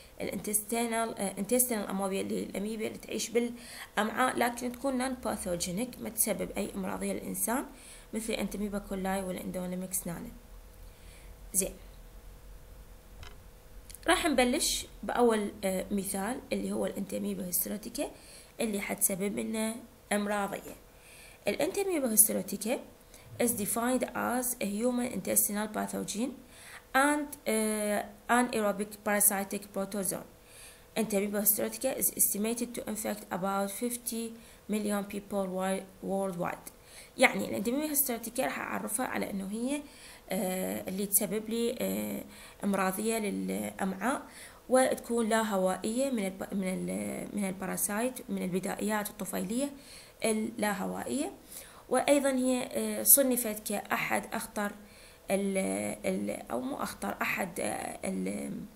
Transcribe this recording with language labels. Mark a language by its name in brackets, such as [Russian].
[Arabic] الانتستينال اموبيا اللي هي الاميبيا اللي تعيش بالامعاء لكن تكون نان باثوجينيك ما تسبب اي امراضيه للانسان مثل انتاميبا كولاي والاندونيمكس نانن. زين راح نبلش باول مثال اللي هو الانتاميبا هيستروتيكا اللي حتسبب لنا امراضيه. [English] الانتاميبا histolytica is defined as a human intestinal pathogen and anaerobic parasitic protozoan. Entamoeba hystrotica is estimated to infect about 50 million people worldwide. [Arabic] يعني الانتاميبا هيستروتيكا راح اعرفها على انه هي اللي تسبب لي امراضيه للامعاء وتكون لا هوائيه من الـ من الـ من الباراسايت من البدائيات الطفيليه اللا هوائيه وايضا هي صنفت كاحد اخطر الـ او مو اخطر احد الـ